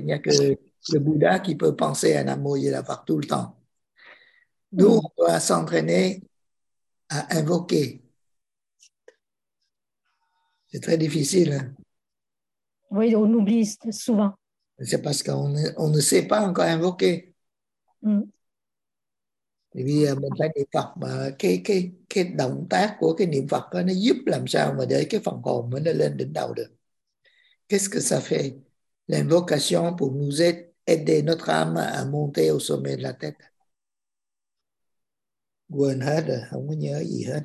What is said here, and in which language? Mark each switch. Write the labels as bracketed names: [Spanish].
[French] Il n'y a que le Bouddha qui peut penser à Namo Yidhava tout le temps. Nous, on doit s'entraîner à invoquer. C'est très difficile. Oui, on oublie souvent. C'est parce qu'on ne sait pas encore invoquer. Mm. Et puis, [Vietnamese] mình phải niệm Phật, mà cái động tác của cái niệm Phật đó, nó giúp làm sao mà để cái phần hồn mới nó lên đỉnh đầu được. [French] Qu'est-ce que ça fait? L'invocation pour nous aider notre âme à monter au sommet de la tête. [Vietnamese] Quên hết rồi, không có nhớ gì hết.